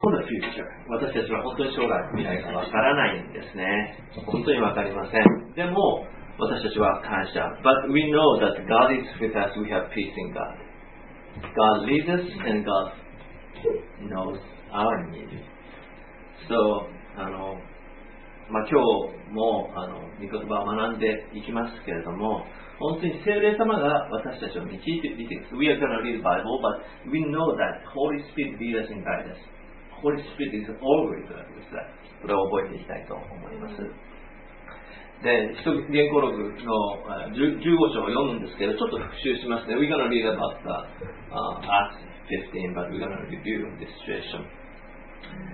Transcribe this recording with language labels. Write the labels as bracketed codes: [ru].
[ja] 私たちは本当に将来未来がわからないんですね。本当にわかりません。でも私たちは感謝。 [en] But we know that God is with us. We have peace in God. God leads us and God knows our need. So, [ja] まあ、今日も御言葉を学んでいきますけれども、本当に聖霊様が私たちを導いていて、 [en] We are going to read the Bible, but we know that Holy Spirit leads us and guides us. Holy Spirit is always with us. [ja] これを覚えていきたいと思います。で、使徒言語録の15章を読むんですけど、ちょっと復習しますね。 [en] We're going to read about the Acts 15, but we're going to review the situation.